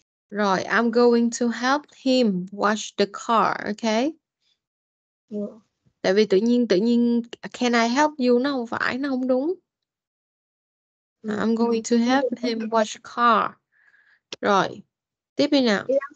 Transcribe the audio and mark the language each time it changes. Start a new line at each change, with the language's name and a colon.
English: Rồi, I'm going to help him wash the car, okay? Yeah.
Vietnamese: Tại vì tự nhiên
English: can I help you
Vietnamese: nó không phải, nó không đúng.
English: I'm going to help him wash the car.
Vietnamese: Rồi, tiếp đi nào.